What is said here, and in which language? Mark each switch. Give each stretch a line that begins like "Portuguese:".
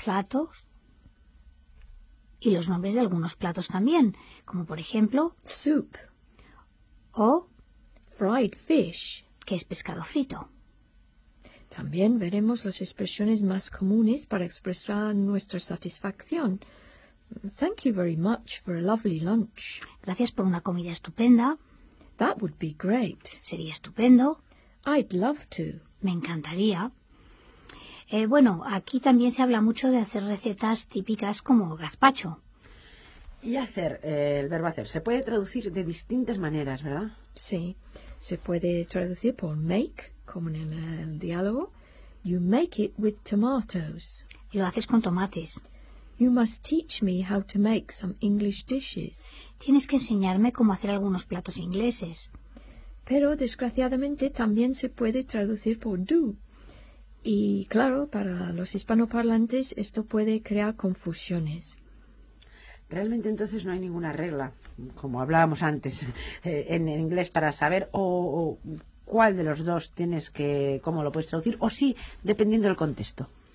Spanish: platos y los nombres de algunos platos también, como por ejemplo
English: soup
Spanish: o
English: fried fish,
Spanish: que es pescado frito. También veremos las expresiones más comunes para expresar nuestra satisfacción.
English: Thank you very much for a lovely lunch.
Spanish: Gracias por una comida estupenda.
English: That would be great.
Spanish: Sería estupendo.
English: I'd love to.
Spanish: Me encantaría. Bueno, aquí también se habla mucho de hacer recetas típicas como gazpacho. Y hacer, el verbo hacer, se puede traducir de distintas maneras, ¿verdad? Sí, se puede traducir por make, como en el diálogo.
English: You make it with tomatoes.
Spanish: Lo haces con tomates.
English: You must teach me how to make some English dishes.
Spanish: Tienes que enseñarme cómo hacer algunos platos ingleses. Pero, desgraciadamente, también se puede traducir por do. Y, claro, para los hispanoparlantes esto puede crear confusiones. Realmente entonces no hay ninguna regla, como hablábamos antes, en inglés para saber o cuál de los dos tienes que, cómo lo puedes traducir, o sí, dependiendo del contexto.